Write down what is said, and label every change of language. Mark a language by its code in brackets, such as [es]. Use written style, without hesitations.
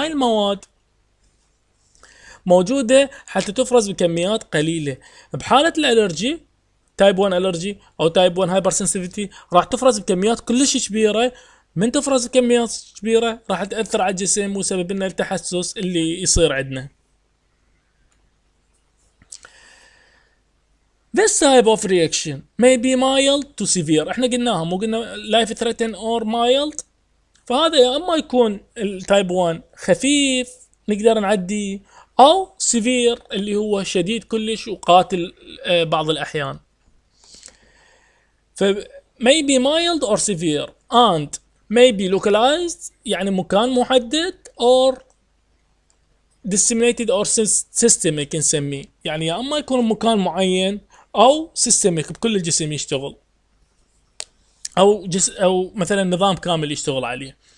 [ar] هاي المواد موجوده حتى تفرز بكميات قليله. بحاله الالرجي تايب 1 الرجي او تايب 1 هايبر سنسيتيفيتي راح تفرز بكميات كلش كبيره. من تفرز بكميات كبيره راح تاثر على الجسم وسبب لنا التحسس اللي يصير عندنا. [en] This type of reaction may be mild to severe. [ar] احنا قلناها، مو قلنا [en] life threatening or mild. [ar] فهذا يا اما يكون التايب 1 خفيف نقدر نعديه، او سيفير اللي هو شديد كلش وقاتل بعض الاحيان. ف [en] maybe mild or severe and maybe localized [ar] يعني مكان محدد، [en] or disseminated or systemic [ar] نسميه، يعني يا اما يكون مكان معين او systemic بكل الجسم يشتغل، او او مثلا نظام كامل يشتغل عليه.